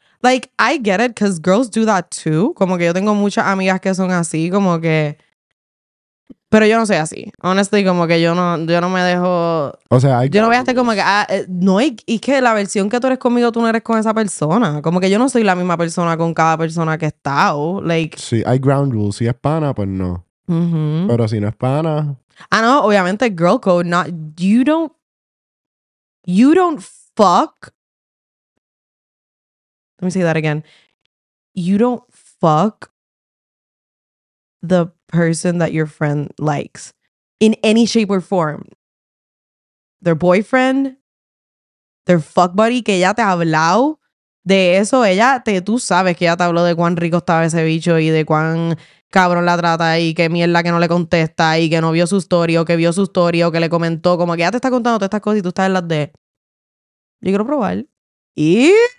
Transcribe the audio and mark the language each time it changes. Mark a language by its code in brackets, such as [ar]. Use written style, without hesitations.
[en] Like, I get it, because girls do that too. [es] Como que yo tengo muchas amigas que son así, como que... Pero yo no soy así. Honestly, como que yo no me dejo... O sea, yo no voy a estar como que... no, y es que la versión que tú eres conmigo, tú no eres con esa persona. Como que yo no soy la misma persona con cada persona que he estado. [en] Like, [es] sí, hay ground rules. Si es pana, pues no. Uh-huh. Pero si no es pana... [en] Ah, [es] no, obviamente, [en] girl code. Not, you don't fuck... Let me say that again. You don't fuck the person that your friend likes in any shape or form. Their boyfriend, their fuck buddy, [es] que ella te ha hablado de eso, tú sabes que ella te habló de cuán rico estaba ese bicho y de cuán cabrón la trata y qué mierda que no le contesta y que no vio su story o que vio su story o que le comentó, como que ella te está contando todas estas cosas y tú estás en las de, yo quiero probar. Y...